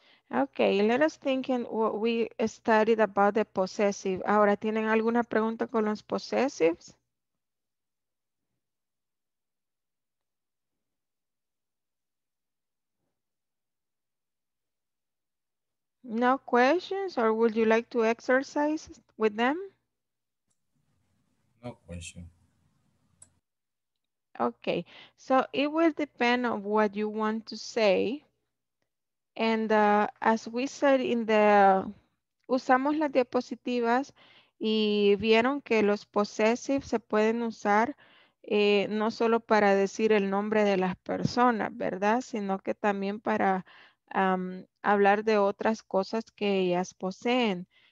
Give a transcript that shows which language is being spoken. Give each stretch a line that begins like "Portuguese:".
English: Okay, let us think in what we studied about the possessive.
Spanish: Ahora, ¿tienen alguna pregunta con los possessives?
English: No questions, or would you like to exercise with them? No question. Okay, so it will depend on what you want to say. And as we said in the,
Spanish: usamos las diapositivas y vieron que los possessive se pueden usar no solo para decir el nombre de las personas, ¿verdad? Sino que también para hablar de otras cosas que ellas poseen.